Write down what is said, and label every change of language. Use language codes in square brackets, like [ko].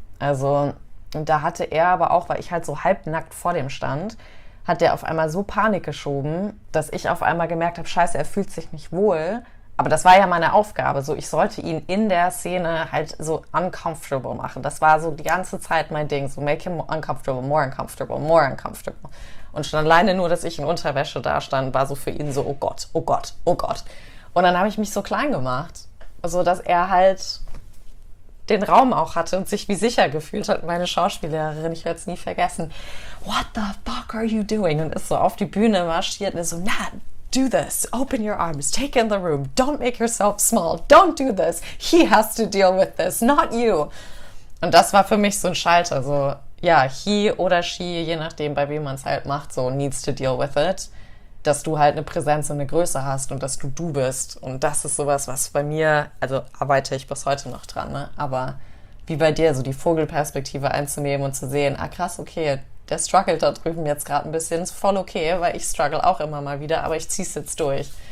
[de] Also, und da hatte er aber auch, weil ich halt so halbnackt vor dem stand, hat der auf einmal so Panik geschoben, dass ich auf einmal gemerkt habe, scheiße, er fühlt sich nicht wohl. Aber das war ja meine Aufgabe. So, ich sollte ihn in der Szene halt so uncomfortable machen. Das war so die ganze Zeit mein Ding. [en] So, make him uncomfortable, more uncomfortable, more uncomfortable. [de] Und schon alleine nur, dass ich in Unterwäsche da stand, war so für ihn so, oh Gott, oh Gott, oh Gott. Und dann habe ich mich so klein gemacht, so dass er halt den Raum auch hatte und sich wie sicher gefühlt hat, meine Schauspiellehrerin, ich werde es nie vergessen, [en] what the fuck are you doing? [de] Und ist so auf die Bühne marschiert und ist so, na, [en] do this, open your arms, take in the room, don't make yourself small, don't do this, he has to deal with this, not you. [de] Und das war für mich so ein Schalter, so, ja, he oder she, je nachdem, bei wem man es halt macht, so, [en] needs to deal with it, [de] dass du halt eine Präsenz und eine Größe hast und dass du du bist. Und das ist sowas, was bei mir, also arbeite ich bis heute noch dran, ne, aber wie bei dir, so die Vogelperspektive einzunehmen und zu sehen, ah krass, okay, der struggelt da drüben jetzt gerade ein bisschen, ist voll okay, weil ich struggle auch immer mal wieder, aber ich zieh's jetzt durch.